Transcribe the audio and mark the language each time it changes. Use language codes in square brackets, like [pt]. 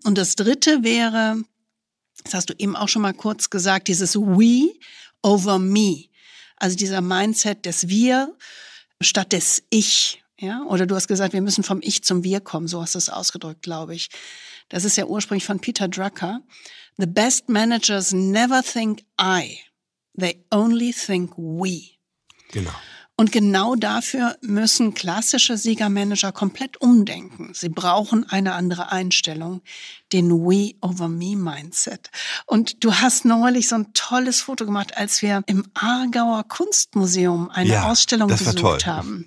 [de] Und das Dritte wäre, das hast du eben auch schon mal kurz gesagt, dieses We over Me. Also dieser Mindset des Wir statt des Ich. Ja, oder du hast gesagt, wir müssen vom Ich zum Wir kommen. So hast du es ausgedrückt, glaube ich. Das ist ja ursprünglich von Peter Drucker. [en] The best managers never think I, they only think we. [de] Genau. Und genau dafür müssen klassische Siegermanager komplett umdenken. Sie brauchen eine andere Einstellung, den We over Me Mindset. Und du hast neulich so ein tolles Foto gemacht, als wir im Aargauer Kunstmuseum eine Ausstellung besucht haben.